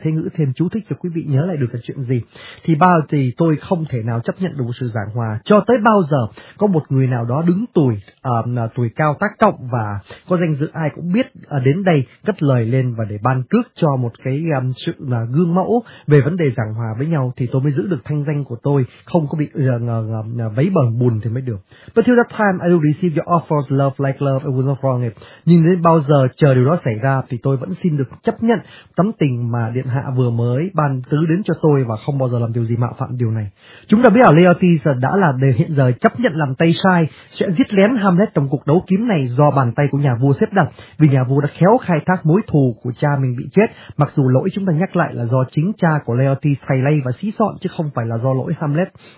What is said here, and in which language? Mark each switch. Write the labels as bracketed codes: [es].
[vi] Thế Ngữ thêm chú thích cho quý vị nhớ lại được cái chuyện gì. Thì bao giờ thì tôi không thể nào chấp nhận đủ sự giảng hòa, cho tới bao giờ có một người nào đó đứng tuổi, tuổi cao tác cộng và có danh dự ai cũng biết đến đây cất lời lên và để ban cước cho một cái sự gương mẫu về vấn đề giảng hòa với nhau thì tôi mới giữ được thanh danh của tôi, không có bị vấy bẩn bùn thì mới được. [en] But till that time I will receive your offers love like love and will not wrong it. [vi] Nhưng đến bao giờ chờ điều đó xảy ra thì tôi vẫn xin được chấp nhận tấm tình mà Điện Hạ vừa mới ban tứ đến cho tôi và không bao giờ làm điều gì mạo phạm điều này. Chúng ta biết là Laertes đã là đời hiện giờ chấp nhận làm tay sai, sẽ giết lén Hamlet trong cuộc đấu kiếm này do bàn tay của nhà vua xếp đặt, vì nhà vua đã khéo khai thác mối thù của cha mình bị chết, mặc dù lỗi chúng ta nhắc lại là do chính cha của Laertes thay lay và xí xọn chứ không phải là do lỗi Hamlet.